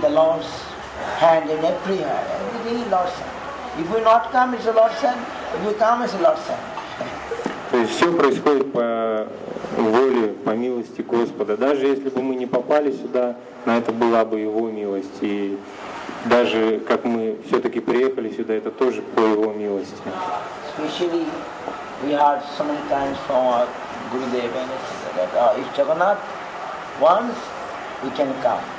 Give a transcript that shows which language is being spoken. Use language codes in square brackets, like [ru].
[en] Hand in every hand, everything is Lord's hand. If we not come, it's a Lord's hand. If we come, it's a Lord's hand. [ru] То есть все происходит по воле, по милости Господа. Даже если бы мы не попали сюда, на это была бы Его милость. И даже как мы все-таки приехали сюда, это тоже по Его милости. [en] Especially we heard so many times from our Gurudev that if Jagannath wants, we can come.